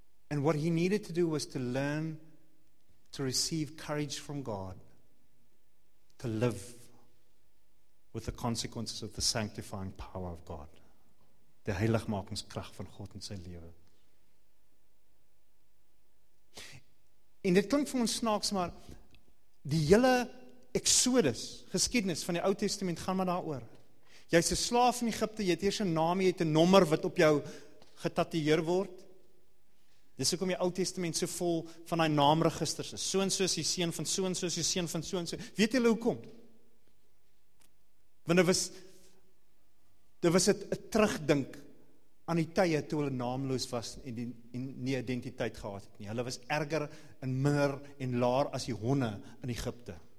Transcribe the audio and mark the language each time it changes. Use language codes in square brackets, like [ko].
[en] And what he needed to do was to learn to receive courage from God, to live with the consequences of the sanctifying power of God, the [af] heiligmakingskrag van God in sy lewe. En dit klink vir ons snaaks, maar die hele Exodus, geskiedenis van die Ou Testament, gaan maar daar oor. Jy is een slaaf in Egypte, jy het eers een naam, jy het een nommer wat op jou getatueer word. Dis ook om die Ou Testament so vol van die naamregisters, so en so is die seun van so en so is die seun van so en so. Weet julle hoekom? Want dit was een terugdink aan die tye toe hulle naamloos was en, die, en nie identiteit gehad het nie. Hulle was erger en minder en laar as die honde in Egypte.